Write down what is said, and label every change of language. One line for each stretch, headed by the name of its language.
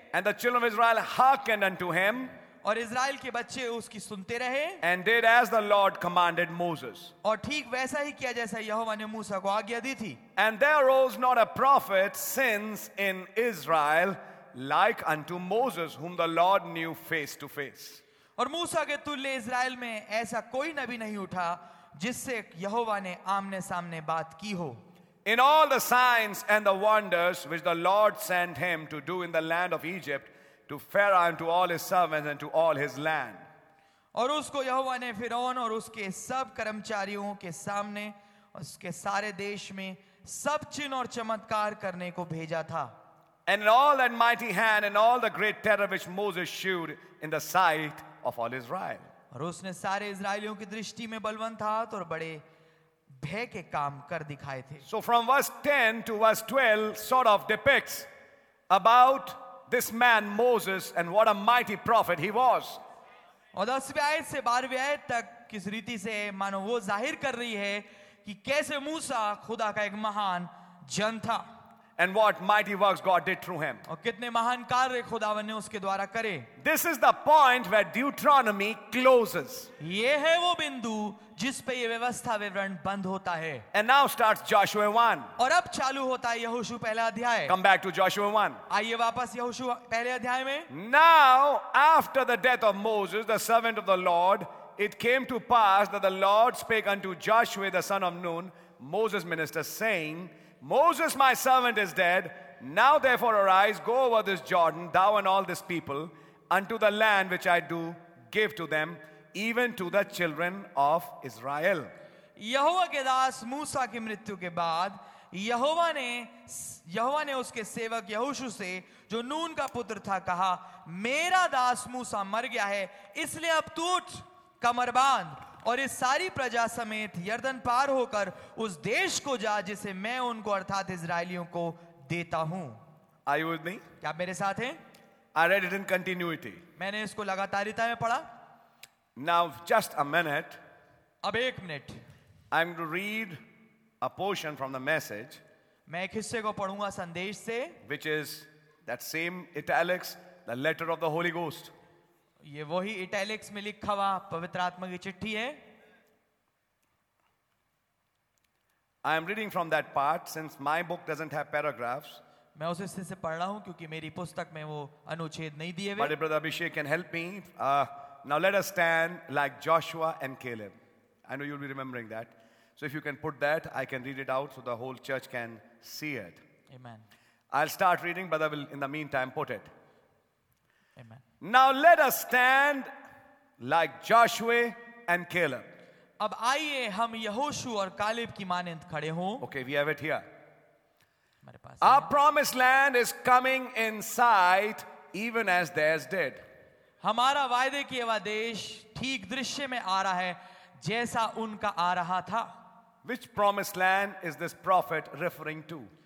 English: And the children of Israel hearkened unto him.
Hindi: और Israel के बच्चे उसकी सुनते रहे.
English: And did as the Lord commanded Moses.
Hindi: और ठीक वैसा ही किया जैसा यहोवा ने मूसा को आज्ञा दी थी.
English: And there arose not a prophet since in Israel like unto Moses, whom the Lord knew face to face.
Hindi: और मूसा के तुल्य इज़राइल में ऐसा कोई नबी नहीं उठा जिससे यहोवा ने आमने सामने बात की हो.
English: In all the signs and the wonders which the Lord sent him to do in the land of Egypt, to Pharaoh and to all his servants and to all his land.
Hindi: और उसको यहोवा ने फिरौन और उसके सब कर्मचारियों के सामने उसके सारे देश में सब चिन्ह और चमत्कार करने को भेजा था.
English: And in all that mighty hand and all the great terror which Moses showed in the sight of all Israel.
Hindi: और उसने सारे इज़राइलियों की दृष्टि में बलवंत हाथ और बड़े भय के काम कर दिखाए थे.
English: So from verse 10 to verse 12 sort of depicts about this man Moses and what a mighty prophet he was.
Hindi: और 10वीं आयत से 12वीं आयत तक किस रीति से मानो वो जाहिर कर रही है कि कैसे मूसा खुदा का एक महान जन था.
English: And what mighty works God did through him.
Hindi: और कितने महान कार्य खुदावन ने उसके द्वारा करे.
English: This is the point where Deuteronomy closes.
Hindi: ये है वो बिंदु जिस पे ये व्यवस्था विवरण बंद होता है.
English: And now starts Joshua 1.
Hindi: और अब चालू होता है यहोशू पहला अध्याय.
English: Come back to Joshua 1.
Hindi: आइए वापस यहोशू पहले अध्याय में.
English: Now after the death of Moses, the servant of the Lord, it came to pass that the Lord spake unto Joshua the son of Nun, Moses' minister, saying, Moses, my servant, is dead. Now therefore arise, go over this Jordan, thou and all this people, unto the land which I do give to them, even to the children of Israel.
Hindi: यहोवा के दास मूसा की मृत्यु के बाद यहोवा ने उसके सेवक यहोशू से जो नून का पुत्र था कहा, मेरा दास मूसा मर गया है, इसलिए अब तू उठ, कमर बांध और इस सारी प्रजा समेत यर्दन पार होकर उस देश को जा जिसे मैं उनको अर्थात इज़राइलियों को देता हूं.
English: Are you with me?
Hindi: क्या आप मेरे साथ हैं?
English: I read it in continuity.
Hindi: मैंने इसको लगातारिता में पढ़ा.
English: Now just a minute.
Hindi: अब एक minute.
English: I'm going to read a portion from the message.
Hindi: मैं एक हिस्से को पढ़ूंगा संदेश से.
English: Which is that same italics, the letter of the Holy Ghost.
Hindi: ये वही इटैलिक्स में लिखा हुआ पवित्र आत्मा की चिट्ठी है.
English: I am reading from that part since my book doesn't have paragraphs.
Hindi: मैं उस हिस्से से पढ़ रहा हूं क्योंकि मेरी पुस्तक में वो अनुच्छेद नहीं दिए हुए.
English: But brother Abhishek can help me. Now let us stand like Joshua and Caleb. I know you'll be remembering that. So if you can put that, I can read it out so the whole church can see it. Amen. I'll start reading, brother will in the meantime put it. Amen. Now let us stand like Joshua and Caleb.
Hindi: अब आइए हम यहोशू और Caleb की मानिंद खड़े हों.
English: Okay, we have it here. Our promised land is coming in sight, even as theirs did.
Hindi: हमारा वायदे की वह देश ठीक दृश्य में आ रहा है, जैसा उनका आ रहा था.
English: Which promised land is this prophet referring to?